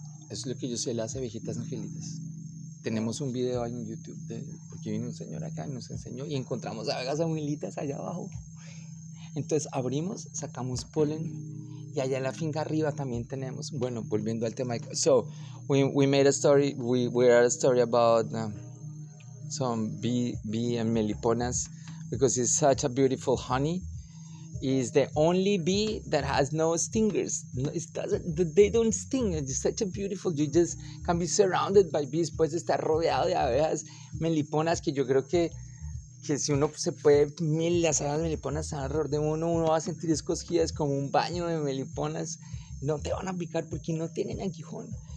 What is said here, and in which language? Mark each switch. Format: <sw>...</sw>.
<es>Eso es lo que yo sé, las abejitas angelitas. Tenemos un video ahí en YouTube de, porque vino un señor acá y nos enseñó, y encontramos abejas angelitas allá abajo. Entonces abrimos, sacamos polen, y allá en la finca arriba también tenemos. Bueno, volviendo al tema,</es> <en>so we made a story, we wrote a story about some bee and meliponas, because it's such a beautiful honey. Is the only bee that has no stingers. No, it doesn't, they don't sting. It's such a beautiful, you just can be surrounded by bees.</en> <es>Puedes estar rodeado de abejas meliponas, que yo creo que si uno se puede, mil las abejas meliponas están alrededor de uno, uno va a sentir cosquillas como un baño de meliponas. No te van a picar porque no tienen aguijón.</es>